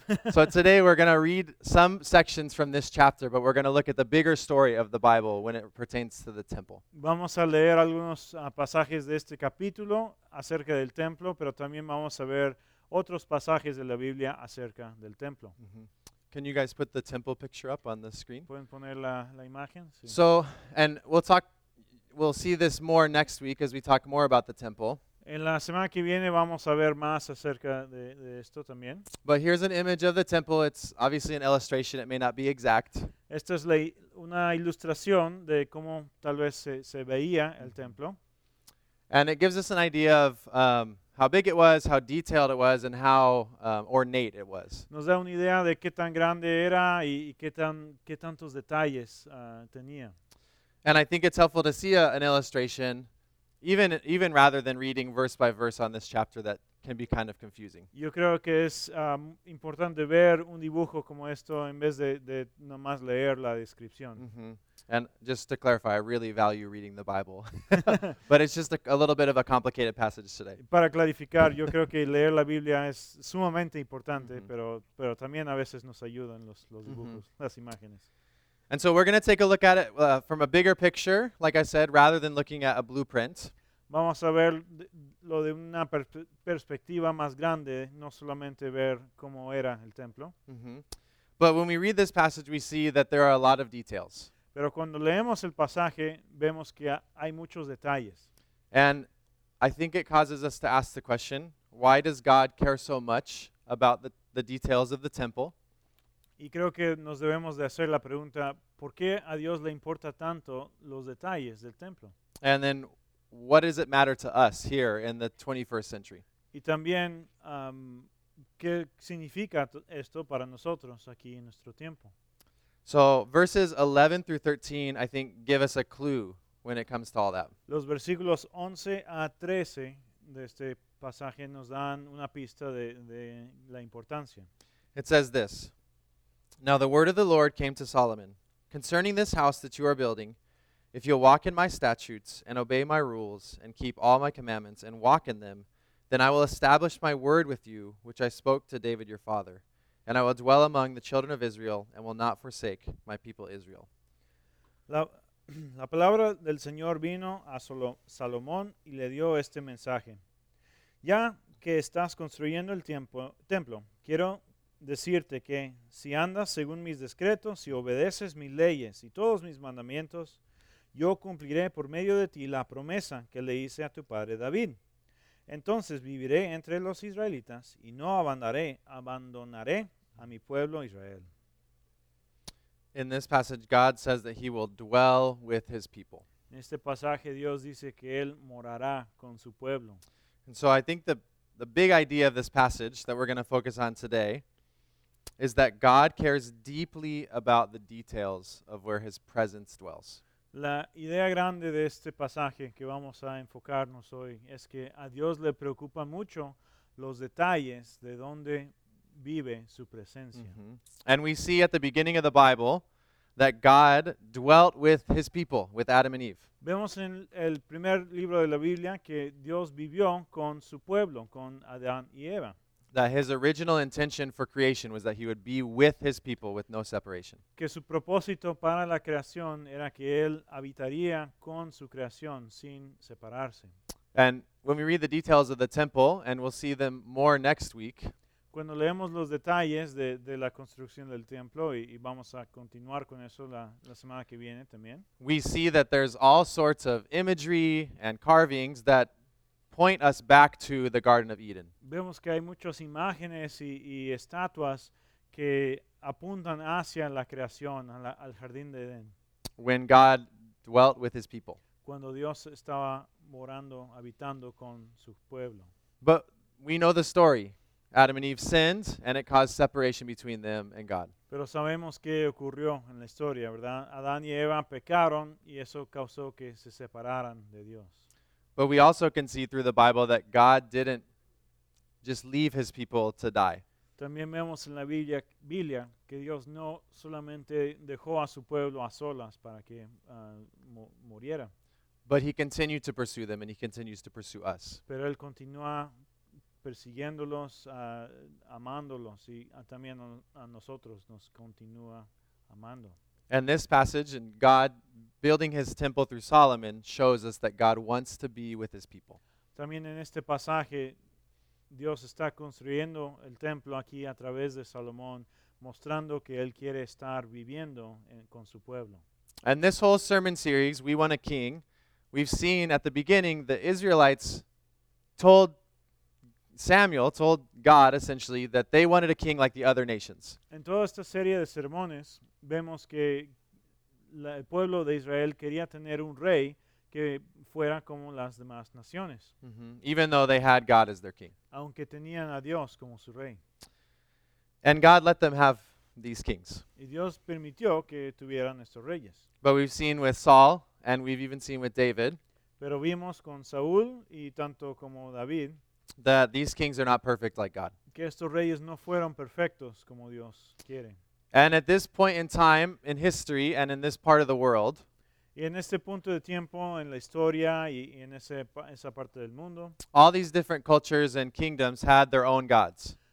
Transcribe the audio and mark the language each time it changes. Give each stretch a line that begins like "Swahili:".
English: So today we're going to read some sections from this chapter, but we're going to look at the bigger story of the Bible when it pertains to the temple.
Spanish: Vamos a leer algunos pasajes de este capítulo acerca del templo, pero también vamos a ver otros pasajes de la Biblia acerca del templo.
English: Can you guys put the temple picture up on the screen?
Spanish: ¿Pueden poner la imagen? Sí.
English: So, and we'll see this more next week as we talk more about the temple.
Spanish: En la semana que viene vamos a ver más acerca de esto también.
English: But here's an image of the temple. It's obviously an illustration. It may not be exact.
Spanish: Esta es una ilustración de cómo tal vez se veía el templo.
English: And it gives us an idea of how big it was, how detailed it was, and how ornate it was.
Spanish: Nos da una idea de qué tan grande era y qué tantos detalles tenía.
English: And I think it's helpful to see an illustration, even rather than reading verse by verse on this chapter, that can be kind of confusing.
Spanish: Yo creo que es importante ver un dibujo como esto en vez de nomás leer la descripción. Mm-hmm.
English: And just to clarify, I really value reading the Bible. But it's just a little bit of a complicated passage today.
Spanish: Para clarificar, yo creo que leer la Biblia es sumamente importante, pero también a veces nos ayudan los dibujos, las imágenes.
English: And so we're going to take a look at it from a bigger picture, like I said, rather than looking at a blueprint.
Spanish: Vamos a ver lo de una perspectiva más grande, no solamente ver cómo era el templo. Mm-hmm.
English: But when we read this passage, we see that there are a lot of details.
Spanish: Pero cuando leemos el pasaje, vemos que hay muchos detalles.
English: And I think it causes us to ask the question, why does God care so much about the details of the temple?
Spanish: Y creo que nos debemos de hacer la pregunta, ¿por qué a Dios le importa tanto los detalles del templo?
English: And then, what does it matter to us here in the 21st century?
Spanish: Y también, ¿qué significa esto para nosotros aquí en nuestro tiempo?
English: So, verses 11 through 13, I think, give us a clue when it comes to all that.
Spanish: Los versículos 11 a 13 de este pasaje nos dan una pista de la importancia.
English: It says this. Now the word of the Lord came to Solomon, concerning this house that you are building, if you'll walk in my statutes and obey my rules and keep all my commandments and walk in them, then I will establish my word with you, which I spoke to David your father, and I will dwell among the children of Israel and will not forsake my people Israel.
Spanish: La palabra del Señor vino a Salomón y le dio este mensaje. Ya que estás construyendo el templo, quiero decirte que si andas según mis decretos, si obedeces mis leyes y todos mis mandamientos, yo cumpliré por medio de ti la promesa que le hice a tu padre David. Entonces viviré entre los israelitas y no abandonaré a mi pueblo Israel.
English: In this passage, God says that he will dwell with his people.
Spanish: En este pasaje, Dios dice que él morará con su pueblo.
English: And so I think the big idea of this passage that we're going to focus on today is that God cares deeply about the details of where his presence dwells.
Spanish: La idea grande de este pasaje que vamos a enfocarnos hoy es que a Dios le preocupa mucho los detalles de dónde vive su presencia. Mm-hmm.
English: And we see at the beginning of the Bible that God dwelt with his people, with Adam and Eve.
Spanish: Vemos en el primer libro de la Biblia que Dios vivió con su pueblo, con Adán y Eva.
English: That his original intention for creation was that he would be with his people with no separation.
Spanish: Que su propósito para la creación era que él habitaría con su creación sin separarse.
English: And when we read the details of the temple, and we'll see them more next week,
Spanish: cuando leemos los detalles de la construcción del templo y vamos a continuar con eso la semana que viene también,
English: we see that there's all sorts of imagery and carvings that point us back to the Garden of Eden.
Spanish: Vemos que hay muchas imágenes y estatuas que apuntan hacia la creación, al jardín de Edén.
English: When God dwelt with his people.
Spanish: Cuando Dios estaba morando, habitando con su pueblo.
English: But we know the story. Adam and Eve sinned, and it caused separation between them and God.
Spanish: Pero sabemos qué ocurrió en la historia, ¿verdad? Adán y Eva pecaron, y eso causó que se separaran de Dios.
English: But we also can see through the Bible that God didn't just leave his people to die.
Spanish: También vemos en la Biblia que Dios no solamente dejó a su pueblo a solas para que muriera.
English: But he continued to pursue them, and he continues to pursue us.
Spanish: Pero él continúa persiguiéndolos, amándolos, y también a nosotros nos continúa amando.
English: And this passage, and God building his temple through Solomon, shows us that God wants to be with his people.
Spanish: También en este pasaje, Dios está construyendo el templo aquí a través de Salomón, mostrando que él quiere estar viviendo con su pueblo.
English: And this whole sermon series, We Want a King, we've seen at the beginning the Israelites told Samuel told God, essentially, that they wanted a king like the other nations.
Spanish: En toda esta serie de sermones, vemos que el pueblo de Israel quería tener un rey que fuera como las demás naciones. Mm-hmm.
English: Even though they had God as their king.
Spanish: Aunque tenían a Dios como su rey.
English: And God let them have these kings.
Spanish: Y Dios permitió que tuvieran estos reyes.
English: But we've seen with Saul, and we've even seen with David.
Spanish: Pero vimos con Saúl y tanto como David.
English: That these kings are not perfect like God.
Spanish: Que estos reyes no fueron perfectos como Dios quiere.
English: And at this point in time, in history, and in this part of the world,
Spanish: y en este punto de tiempo, en la historia, y en esa parte del mundo,
English: all these different cultures and kingdoms had their own gods.